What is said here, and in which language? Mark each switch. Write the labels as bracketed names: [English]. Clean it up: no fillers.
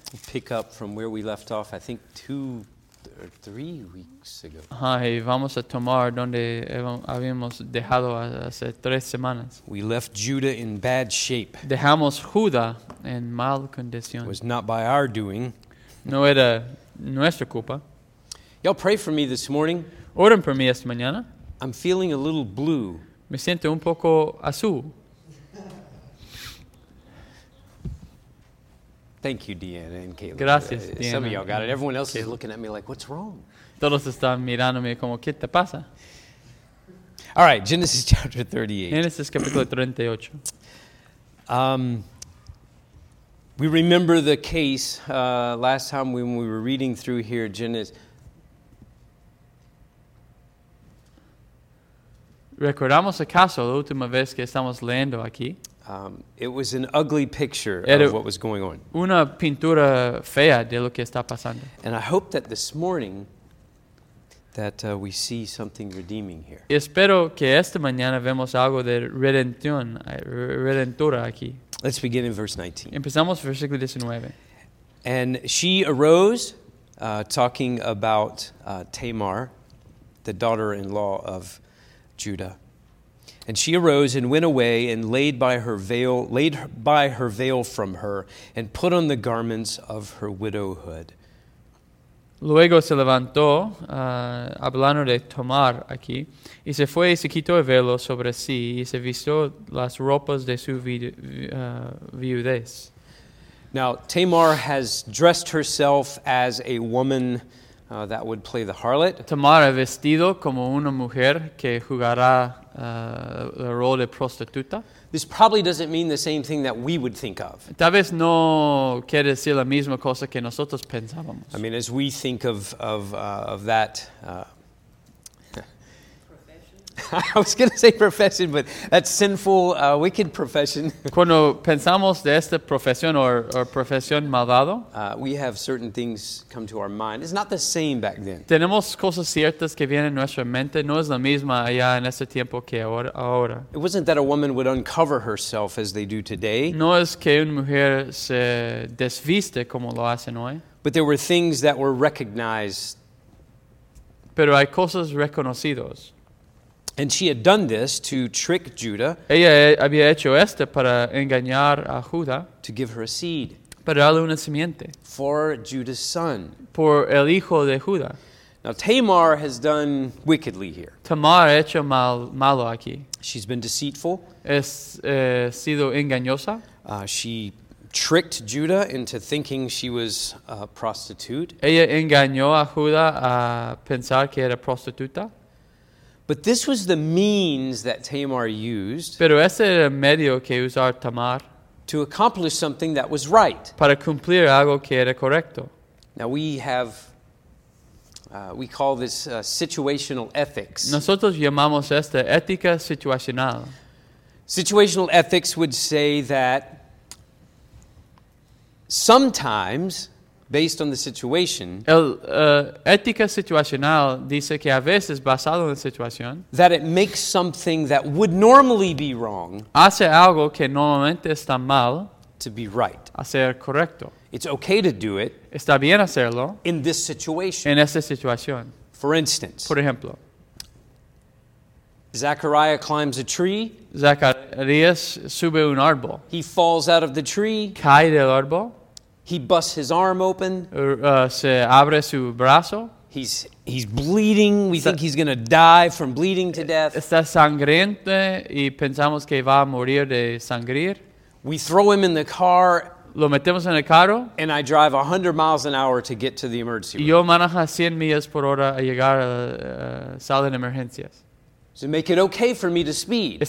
[English] We'll pick up from where we left off, I think, two or three weeks ago. [Spanish] Y vamos a tomar donde habíamos dejado hace tres semanas. [English] We left Judah in bad shape. [Spanish] Dejamos Judá en mal condición. [English] It was not by our doing. [Spanish] No era nuestra culpa. [English] Y'all pray for me this morning. [Spanish] Oren por mí esta mañana. [English] I'm feeling a little blue. [Spanish] Me siento un poco azul. [English] Thank you, Deanna and Caleb. [Spanish] Gracias, [English] Deanna. Some of y'all got it. Everyone else is looking at me like, what's wrong? [Spanish] Todos están mirándome como, ¿qué te pasa? [English] All right, Genesis chapter 38. [Spanish] Génesis capítulo 38. [English] We remember the case last time when we were reading through here, Genesis. [Spanish] Recordamos el caso la última vez que estamos leyendo aquí. [English] It was an ugly picture of what was going on. [Spanish] Una pintura fea de lo que está pasando. [English] And I hope that this morning that we see something redeeming here. [Spanish] Espero que esta mañana vemos algo de redención, redentora aquí. [English] Let's begin in verse 19. [Spanish] Empezamos versículo 19. [English] And she arose, talking about Tamar, the daughter-in-law of Judah. And she arose and went away and laid by her veil from her and put on the garments of her widowhood. [Spanish] Luego se levantó, hablando de Tamar aquí, y se fue y se quitó el velo sobre sí y se vistió las ropas de su viudez. [English] Now, Tamar has dressed herself as a woman that would play the harlot. [Spanish] Tamar ha vestido como una mujer que jugará el rol de prostituta. [English] This probably doesn't mean the same thing that we would think of. [Spanish] Tal vez no quiere decir la misma cosa que nosotros pensábamos. [English] I mean, as we think of that profession. I was going to say profession, but that sinful, wicked profession. [Spanish] Cuando pensamos de esta profesión o profesión malvado, [English] we have certain things come to our mind. It's not the same back then. [Spanish] Tenemos cosas ciertas que vienen a nuestra mente. No es la misma allá en ese tiempo que ahora. [English] It wasn't that a woman would uncover herself as they do today. [Spanish] No es que una mujer se desviste como lo hacen hoy. [English] But there were things that were recognized. [Spanish] Pero hay cosas reconocidas. [English] And she had done this to trick Judah. [Spanish] Ella había hecho esto para engañar a Judá. [English] To give her a seed. [Spanish] Para darle una simiente. [English] For Judah's son. [Spanish] Por el hijo de Judá. [English] Now Tamar has done wickedly here. [Spanish] Tamar ha hecho malo aquí. [English] She's been deceitful. [Spanish] Sido engañosa. [English] She tricked Judah into thinking she was a prostitute. [Spanish] Ella engañó a Judá a pensar que era prostituta. [English] But this was the means that Tamar used. [Spanish] Pero ese era el medio que usar Tamar. [English] To accomplish something that was right. [Spanish] Para cumplir algo que era correcto. [English] Now we have, we call this situational ethics. [Spanish] Nosotros llamamos esta ética situacional. [English] Situational ethics would say that sometimes, based on the situation, [Spanish] ética situacional dice que a veces basado en la situación, [English] that it makes something that would normally be wrong, [Spanish] hace algo que normalmente está mal, [English] to be right, [Spanish] hacer correcto. [English] It's okay to do it, [Spanish] está bien hacerlo, [English] in this situation, [Spanish] en esta situación. [English] For instance, [Spanish] por ejemplo, [English] Zachariah climbs a tree. [Spanish] Zacharias sube un árbol. [English] He falls out of the tree. [Spanish] Cae del árbol. [English] He busts his arm open. [Spanish] Se abre su brazo. [English] He's bleeding. We think he's going to die from bleeding to death. [Spanish] Está sangriente y pensamos que va a morir de sangrir. [English] We throw him in the car. [Spanish] Lo metemos en el carro. [English] And I drive 100 miles an hour to get to the emergency room. [Spanish] Yo manejo 100 millas por hora a llegar a la sala de emergencias. [English] Does it make it okay for me to speed?